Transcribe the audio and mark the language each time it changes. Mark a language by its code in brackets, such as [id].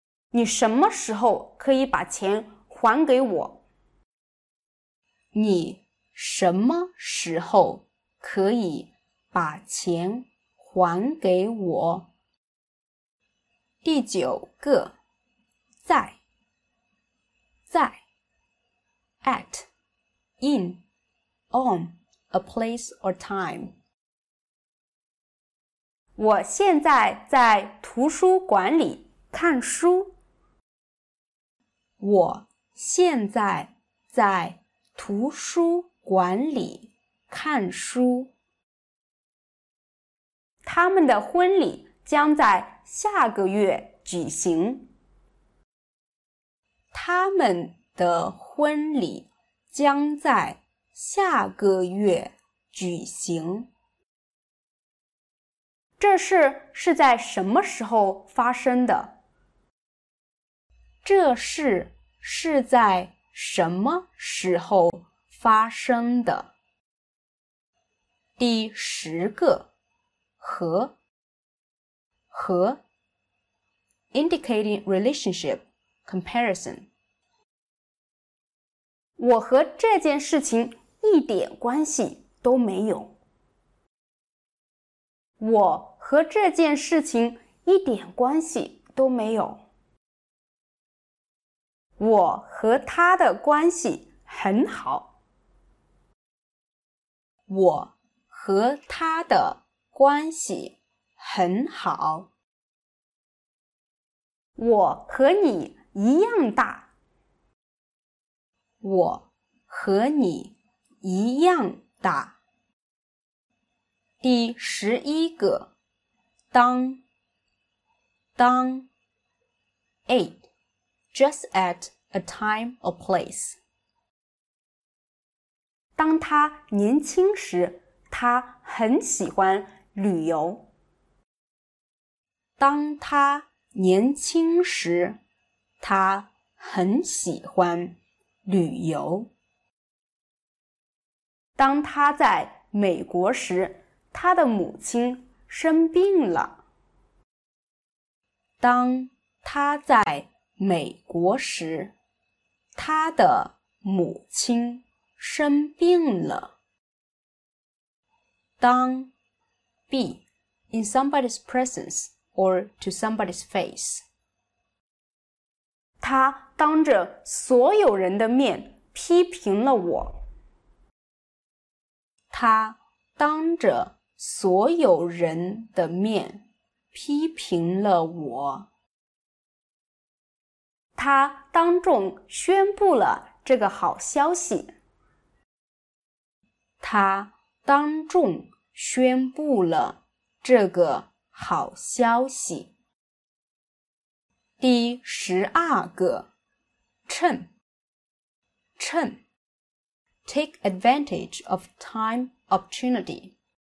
[zh] 你什么时候可以把钱还给我？你什么时候可以把钱还给我？第九个，在 [en] at, in, on, a place or time. [zh] 我现在在图书馆里看书。我现在在图书馆里看书。他们的婚礼将在下个月举行。他们的婚礼将在下个月举行。这事是在什么时候发生的？这事是在什么时候发生的？第十个，和 [en] indicating relationship, comparison. [zh] 我和这件事情一点关系都没有。我和这件事情一点关系都没有。我和他的关系很好。我和他的关系很好。我和你一样大。我和你一样大。第十一个，当 [en] eight, just at a time or place. [zh] 当他年轻时，他很喜欢旅游。当他年轻时，他很喜欢旅游。当他在美国时，他的母亲生病了。当他在美国时，他的母亲生病了。 [en] 当 be in somebody's presence or to somebody's face. [zh] 他当着所有人的面批评了我。他当着所有人的面批评了我。他当众宣布了这个好消息。他当众宣布了这个好消息。第十二个，趁 [en] take advantage of time opportunity.